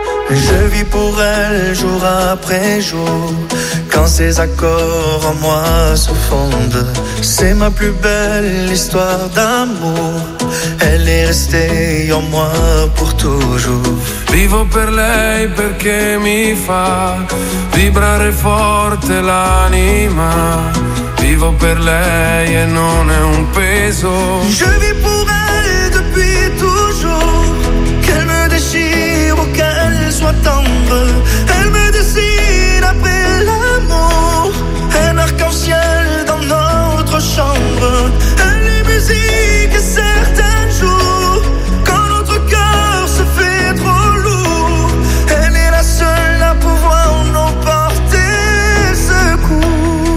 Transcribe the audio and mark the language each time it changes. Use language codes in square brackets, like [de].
[fr] Je vis pour elle jour après jour. Quand ses accords en moi se fondent, c'est ma plus belle histoire d'amour. Elle est restée en moi pour toujours. [it] Vivo per lei perché mi fa vibrare forte l'anima. Vivo per lei e non è un peso. [fr] Je vis pour elle depuis toujours. Qu'elle me déchire ou qu'elle soit tendre, elle me dessine après l'amour. Un arc-en-ciel dans notre chambre. Elle est musique et certains jours, quand notre cœur se fait trop lourd, elle est la seule à pouvoir nous porter secours.